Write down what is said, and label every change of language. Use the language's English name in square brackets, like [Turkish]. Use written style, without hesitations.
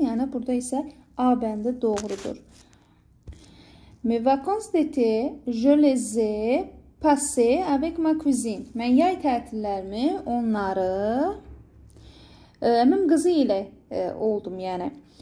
[Azerbaijani] Yəni burada isə A bəndi doğrudur. [French] Mes vacances d'été, je les ai passées avec ma cousine. [Azerbaijani] Mən yay tətillərimi onları əmim qızı ilə oldum, yəni.